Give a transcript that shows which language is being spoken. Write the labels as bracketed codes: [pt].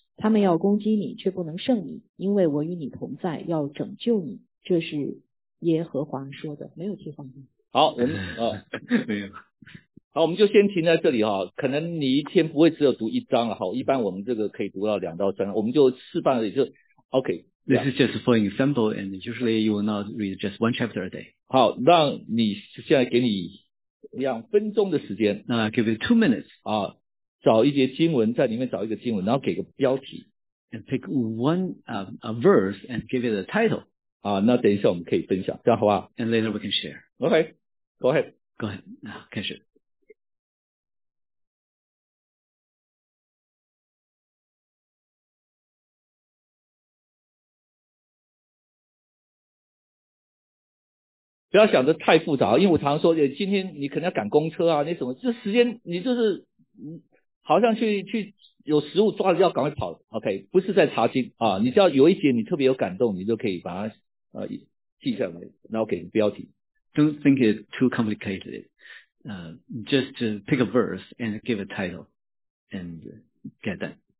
[zh] 他们要攻击你，却不能胜你，因为我与你同在，要拯救你。这是耶和华说的，没有替换的。好，我们没有。好，我们就先停在这里哈。可能你一天不会只有读一章了哈。一般我们这个可以读到两到三，我们就示范了，也就 OK。 [en] This is just for example, and usually you will not read just one chapter a day. [zh] 好，让你现在给你两分钟的时间。 [en] 那 give you 2 minutes. [zh] 啊，找一节经文，在里面找一个经文，然后给个标题。 [en] And pick one a verse and give it a title. [zh] 啊，那等一下我们可以分享，这样好吧 [en] ？And later we can share. Okay, go ahead. Go ahead. [zh] 开始。不要想得太复杂，因为我常说今天你可能要赶公车啊，那什么，就时间你就是好像去有食物抓着要赶快跑， OK， 不是在查经啊，你只要有一节你特别有感动，你就可以把它记下来，然后给个标题。 [en] Don't think it too complicated. Just to pick a verse and give a title and get that.